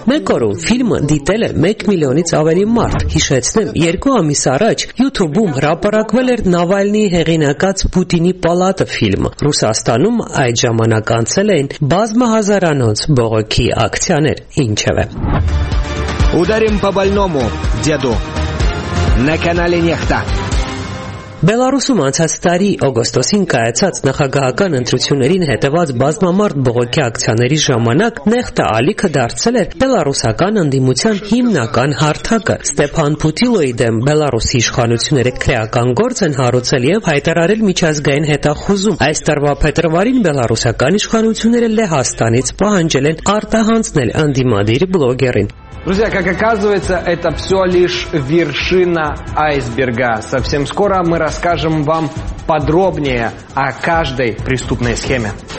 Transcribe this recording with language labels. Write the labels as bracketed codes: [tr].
[hy] Մեկ օրում ֆիլմը դիտել է 1 միլիոնից ավելի մարդ։ Հիշեցնեմ, 2 ամիս առաջ YouTube-ում հրապարակվել էր Նավալնի հեղինակած Պուտինի պալատը ֆիլմը։ Ռուսաստանում այդ ժամանակ անցել էին բազմահազարանոց բողոքի ակցիաներ, ինչևէ։ [ru] Ударим по больному, деду. На канале Нехта. [hy] Բելարուսում անցած տարի օգոստոսին կայացած նախագահական ընտրություններին հետևած բազմամարդ բողոքի ակցիաների ժամանակ Նեխտա ալիքը դարձել էր բելարուսական ընդդիմության հիմնական հարթակը։ Ստեփան Պուտիլոյի դեմ բելարուսի իշխանությունները քրեական գործ են հարուցել և հայտարարել միջազգային հետախուզում։ Այս տարվա փետրվարին բելարուսական իշխանությունները Լեհաստանից պահանջել են արտահանձնել ընդդիմադիր բլոգերին։ [ru] Друзья, как оказывается, это все лишь вершина айсберга. Совсем скоро мы расскажем вам подробнее о каждой преступной схеме.